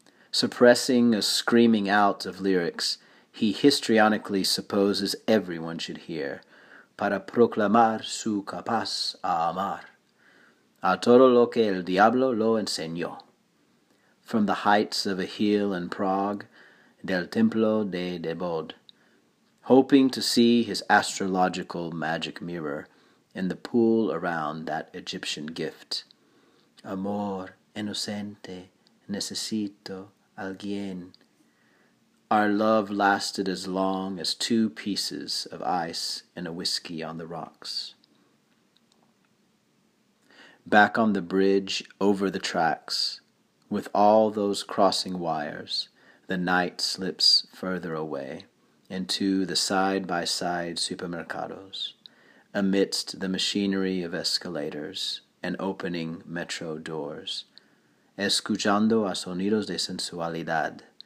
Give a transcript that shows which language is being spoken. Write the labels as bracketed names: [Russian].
[English] Suppressing a screaming out of lyrics, he histrionically supposes everyone should hear, [Spanish] para proclamar su capaz a amar, a todo lo que el diablo lo enseñó. [English] From the heights of a hill in Prague, del Templo de Debod, hoping to see his astrological magic mirror in the pool around that Egyptian gift. [Spanish] Amor inocente, necesito alguien. [English] Our love lasted as long as two pieces of ice and a whiskey on the rocks. Back on the bridge, over the tracks, with all those crossing wires, the night slips further away into the side-by-side supermercados, amidst the machinery of escalators and opening metro doors, [Spanish] escuchando a sonidos de sensualidad,